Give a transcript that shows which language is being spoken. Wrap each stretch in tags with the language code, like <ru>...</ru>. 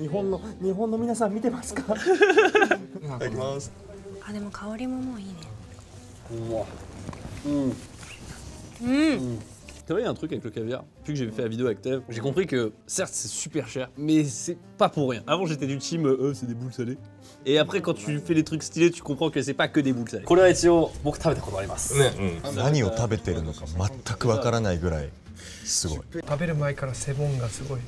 <ja>日本の皆さん見てますか。いただきます。あでも香りももういいね。うわ。</ja> <fr>Tu vois, il y a un truc avec le caviar. Depuis que j'ai fait la vidéo avec Tev, j'ai compris que certes c'est super cher, mais c'est pas pour rien. Avant j'étais du team, c'est des boules salées. Et après quand tu fais les trucs stylés, tu comprends que c'est pas que des boules salées.</fr> <ja>これは一応僕食べたことあります。ね、うん。何を食べてるのか全くわからないぐらいすごい。食べる前からセボンがすごい。</ja>